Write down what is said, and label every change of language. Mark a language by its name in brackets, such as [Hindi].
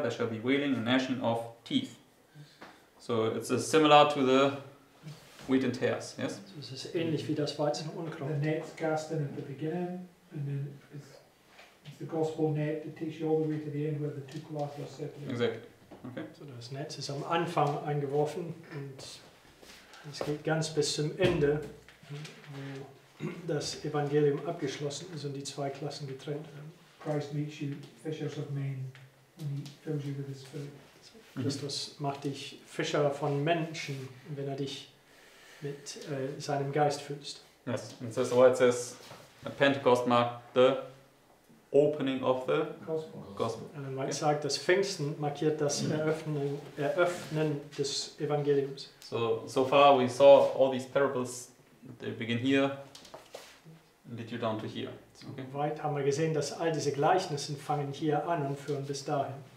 [English] There shall be wailing and gnashing of teeth. So it's similar to the wheat and tares. Yes. So this is [German] ähnlich wie das Weizen und Unkraut. [English] The net's cast in at the beginning, and then it's the gospel net that takes you all the way to the end where the two cloths are separated. Exactly. Okay. [German] So das Netz ist am Anfang eingeworfen und es geht ganz bis zum Ende, wo das Evangelium abgeschlossen ist und die zwei Klassen getrennt werden. [English] Christ makes you fishers of men when he fills you with his spirit. [German] Christus macht dich Fischer von Menschen, wenn er dich mit seinem Geist füllst. [English] Yes, and so it says, at Pentecost marked the opening of the gospel. And then might say that [German] Pfingsten markiert das Eröffnen des Evangeliums. [English] So far we saw all these parables, they begin here, and lead you down to here. Okay. [German] So weit haben wir gesehen, dass all diese Gleichnisse fangen hier an und führen bis dahin.